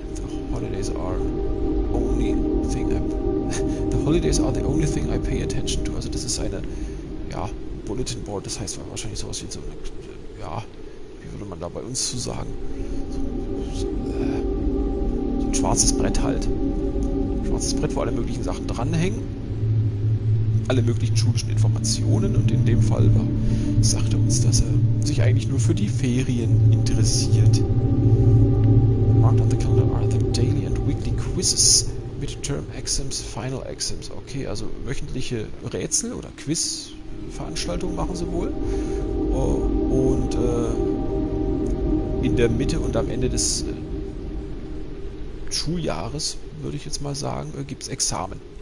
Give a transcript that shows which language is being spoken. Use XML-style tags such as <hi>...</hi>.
<en>The holidays are only thing I the holidays are the only thing I pay attention to.</en> <de>Also das ist eine, ja, Bulletin Board, das heißt wahrscheinlich sowas wie so eine, ja, wie würde man da bei uns zu sagen? So ein schwarzes Brett halt. Ein schwarzes Brett, wo alle möglichen Sachen dranhängen. Alle möglichen schulischen Informationen, und in dem Fall sagte uns, dass er sich eigentlich nur für die Ferien interessiert.</de> <en>Marked on the calendar are the daily and weekly quizzes, midterm exams, final exams.</en> <de>Okay, also wöchentliche Rätsel oder Quiz-Veranstaltungen machen sie wohl. Und in der Mitte und am Ende des Schuljahres, würde ich jetzt mal sagen, gibt es Examen.</de>